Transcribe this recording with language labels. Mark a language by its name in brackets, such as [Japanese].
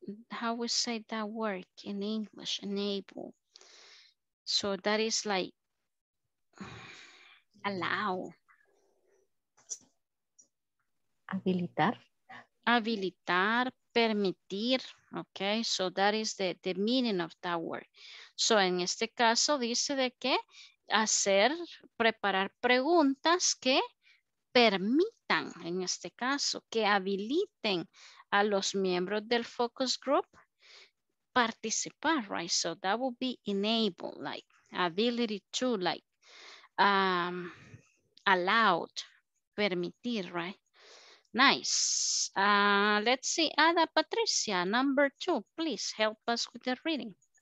[English] How we say that word in English, enable. So that is like allow, [Spanish] Habilitar. Habilitar, permitir, [English] okay, so that is the meaning of that word. [Spanish] So en este caso dice de que hacer, preparar preguntas que permitan, en este caso, que habiliten a los miembros del focus group participar, right? [English] So that would be enable, like ability to, like allowed, permitir, right? Nice. Let's see, Ada Patricia, number two, please help us with the reading.